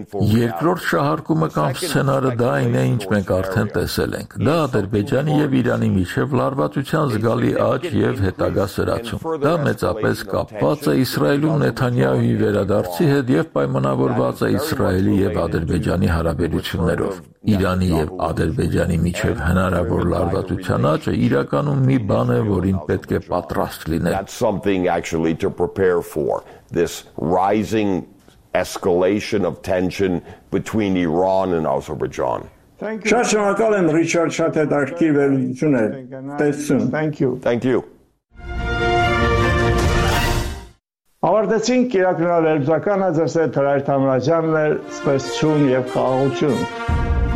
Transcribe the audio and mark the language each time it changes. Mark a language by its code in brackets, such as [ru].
[hy] Երկրորդ շահարկումը կամ սցենարը դա այն է, ինչ մենք արդեն տեսել ենք։ Դա Ադրբեջանի և Իրանի միջև լարվածության զգալի աճ և հետագա սրացում։ Դա մեծապես կապված է Իսրայելու Նեթանյահուի վերադարձի հետ և պայմանավորված է Իսրայելի և Ադրբեջանի հարաբերություններով։ Իրանի և Ադրբեջանի միջև հնարավոր լարվածության աճը իրականում մի բան է, որին պետք է պատրաստ լինել։ [en] That's something actually to prepare for, this rising escalation of tension between Iran and Azerbaijan. [hy] Շատ շնորհակալ եմ, Ռիչարդ, շատ հետաքրքիր վերլուծություն է, տեսություն։ [en] Thank you. Thank you. [hy] Ավարտեցինք կիրակնալ վերլուծականը, ձեզ հետ Հրայր Թամրազյանն էր, սպասություն և խաղաղություն։